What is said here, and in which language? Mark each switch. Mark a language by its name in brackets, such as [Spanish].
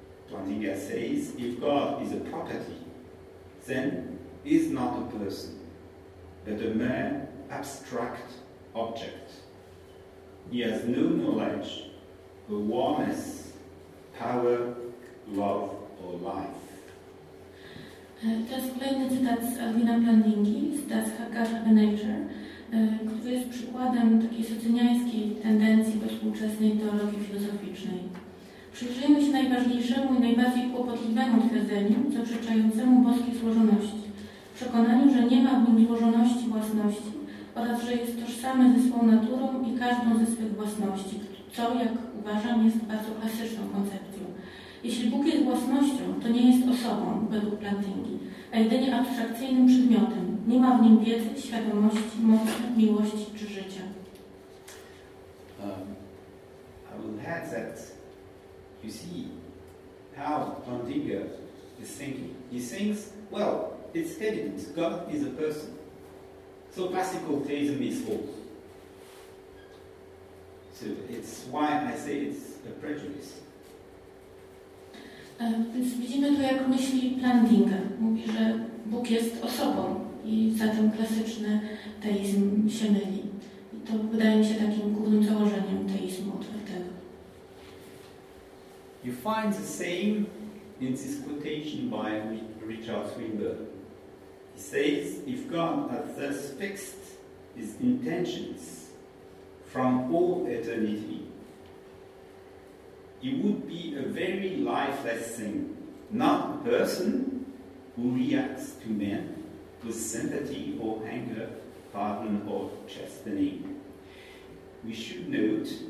[English] Plantinga says, if God is a property, then he is not a person, but a mere abstract object. He has no knowledge, awareness, power, love, or life. [Polish] Teraz kolejny cytat z Alvina Plantingi, z Does God Have a Nature, który jest przykładem takiej socyniańskiej tendencji do współczesnej teologii filozoficznej. Przyjrzyjmy się najważniejszemu i najbardziej kłopotliwemu twierdzeniu zaprzeczającemu boskiej złożoności, przekonaniu, że nie ma w nim złożoności własności oraz że jest tożsame ze swą naturą i każdą ze swych własności, co, jak uważam, jest bardzo klasyczną koncepcją. Jeśli Bóg jest własnością, to nie jest osobą, według Plantingi, a jedynie abstrakcyjnym przedmiotem. Nie ma w nim wiedzy, świadomości, mocy, miłości czy życia. [English] I will add that you see how Plantinga is thinking. He thinks, well, it's evident, God is a person. So classical theism is false. So it's why I say it's a prejudice. [Polish] Więc widzimy to, jak myśli Plantinga. Mówi, że Bóg jest osobą i zatem klasyczny teizm się myli. I to wydaje mi się takim głównym założeniem teizmu otwartego. [English] You find the same in this quotation by Richard Swinburne. He says, if God has thus fixed his intentions from all eternity, he would be a very lifeless thing, not a person who reacts to men with sympathy or anger, pardon or chastening. We should note